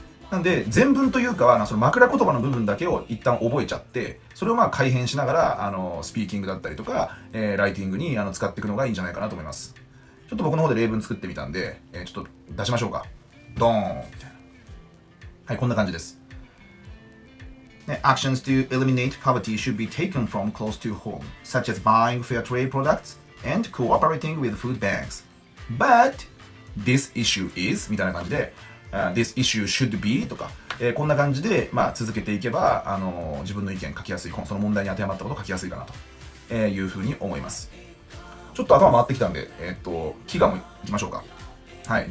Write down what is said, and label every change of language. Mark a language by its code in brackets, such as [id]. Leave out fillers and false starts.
[ja] なんで全文というかはその枕言葉の部分だけを一旦覚えちゃって、それをまあ改変しながらスピーキングだったりとか、ライティングに使っていくのがいいんじゃないかなと思います。ちょっと僕の方で例文作ってみたんで、ちょっと出しましょうか。ドーンみたいな、はい、こんな感じです。 [en] Actions to eliminate poverty should be taken from close to home, such as buying fair trade products and cooperating with food banks. But this issue is, [ja] みたいな感じで、 [en] this issue should be [ja] とか、こんな感じで、まあ、続けていけば、自分の意見書きやすい、その問題に当てはまったことを書きやすいかなというふうに思います。ちょっと頭回ってきたんで、飢餓もいきましょうか。はい。